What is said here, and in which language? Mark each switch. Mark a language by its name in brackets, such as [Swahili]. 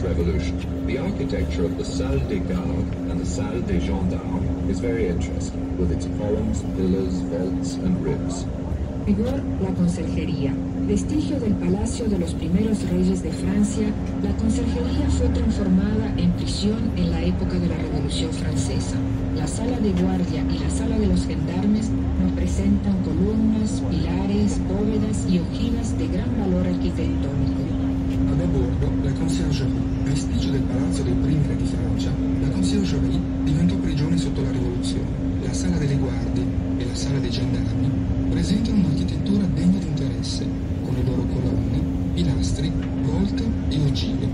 [English] Of the Salle des Gardes and the Salle des Gendarmes is very interesting, with its columns, pillars, vaults, and ribs. [Spanish] Vigor, la conserjería. Vestigio del palacio de los primeros reyes de Francia, la conserjería fue transformada en prisión en la época de la Revolución Francesa. La sala de guardia y la sala de los gendarmes nos presentan columnas, pilares, bóvedas y ojivas de gran valor arquitectónico. [Italian] A bordo, la conciergerie, vestigio del palazzo dei primi re di Francia, la conciergerie diventò prigione sotto la rivoluzione. La sala delle guardie e la sala dei gendarmi presentano un'architettura degna di interesse, con le loro colonne, pilastri, volte e ogive.